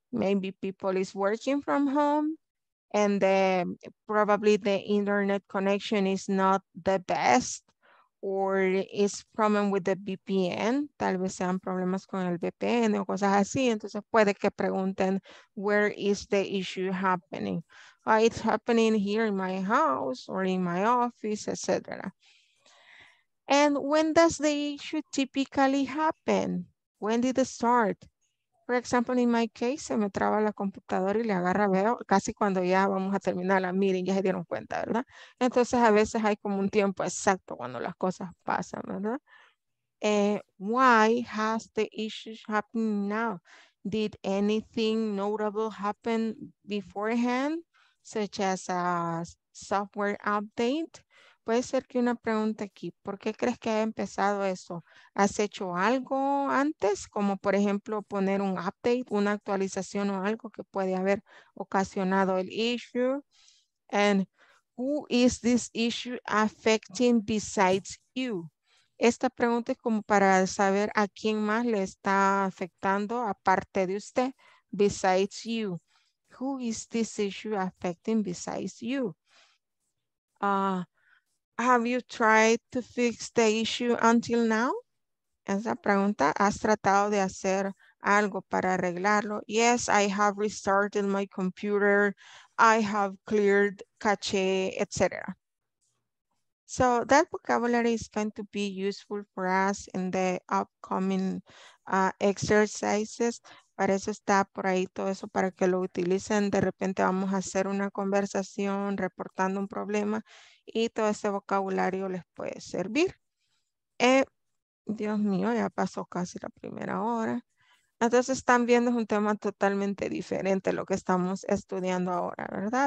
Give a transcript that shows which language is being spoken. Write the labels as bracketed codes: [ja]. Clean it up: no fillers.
[en] Maybe people is working from home, and probably the internet connection is not the best, or is problem with the VPN. [es] Tal vez sean problemas con el VPN o cosas así. Entonces puede que pregunten, [en] where is the issue happening? It's happening here in my house or in my office, etc. And when does the issue typically happen? When did it start? For example, in my case, [es] se me traba la computadora y le agarra, veo, casi cuando ya vamos a terminar la meeting, ya se dieron cuenta, ¿verdad? Entonces, a veces hay como un tiempo exacto cuando las cosas pasan, ¿verdad? [en] Why has the issues happened now? Did anything notable happen beforehand, such as a software update? [es] Puede ser que una pregunta aquí, ¿por qué crees que ha empezado eso? ¿Has hecho algo antes? Como por ejemplo poner un update, una actualización o algo que puede haber ocasionado el issue. [en] And who is this issue affecting besides you? [es] Esta pregunta es como para saber a quién más le está afectando aparte de usted, [en] besides you. Who is this issue affecting besides you? Have you tried to fix the issue until now? [es] Esa pregunta, ¿has tratado de hacer algo para arreglarlo? [en] Yes, I have restarted my computer. I have cleared cache, etc. So that vocabulary is going to be useful for us in the upcoming exercises. [es] Para eso está por ahí todo eso, para que lo utilicen. De repente vamos a hacer una conversación reportando un problema, y todo ese vocabulario les puede servir. Dios mío, ya pasó casi la primera hora. Entonces están viendo, es un tema totalmente diferente lo que estamos estudiando ahora, ¿verdad?